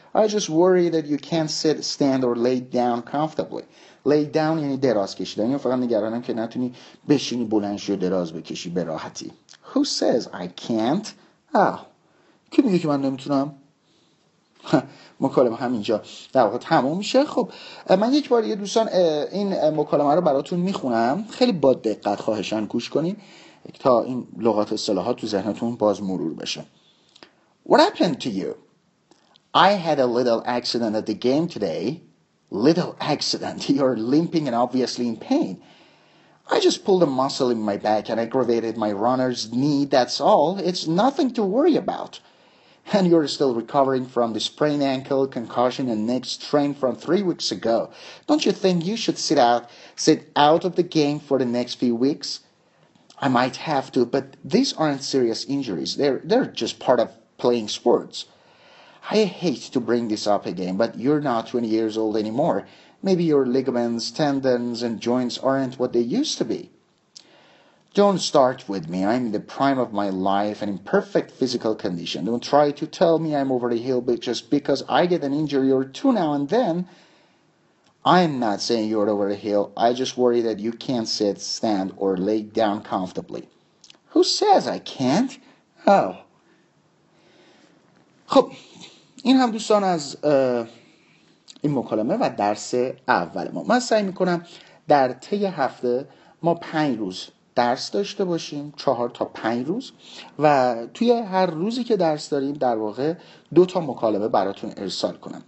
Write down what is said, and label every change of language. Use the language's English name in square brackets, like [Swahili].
[English] I just worry that you can't sit, stand or lay down comfortably. [Persian] Lay down یعنی دراز کشیدن. یعنی فقط نگرانم که نتونی بشینی بلند شو دراز بکشی به راحتی. [English] Who says I can't? [Persian] کی میگه که من نمیتونم؟ مکالمه همینجا در واقع تموم میشه. خب من یک بار یه دوستان این مکالمه رو براتون میخونم، خیلی با دقت خواهشان گوش کنین تا این لغات اصطلاحات تو ذهنتون باز مرور بشه. [English] What happened to you? I had a little accident at the game today. Little accident. You're limping and obviously in pain. I just pulled a muscle in my back and aggravated my runner's knee. That's all. It's nothing to worry about. And you're still recovering from the sprained ankle, concussion and neck strain from 3 weeks ago. Don't you think you should sit out of the game for the next few weeks? I might have to, but these aren't serious injuries. They're just part of playing sports. I hate to bring this up again, but you're not 20 years old anymore. Maybe your ligaments, tendons, and joints aren't what they used to be. Don't start with me. I'm in the prime of my life and in perfect physical condition. Don't try to tell me I'm over the hill just because I get an injury or two now and then. I'm not saying you're over the hill. I just worry that you can't sit, stand, or lay down comfortably. Who says I can't? Oh. [Persian] خب این هم دوستان از این مکالمه و درس اول ما. من سعی میکنم در طی هفته ما 5 روز درس داشته باشیم 4 تا 5 روز و توی هر روزی که درس داریم در واقع 2 تا مکالمه براتون ارسال کنم.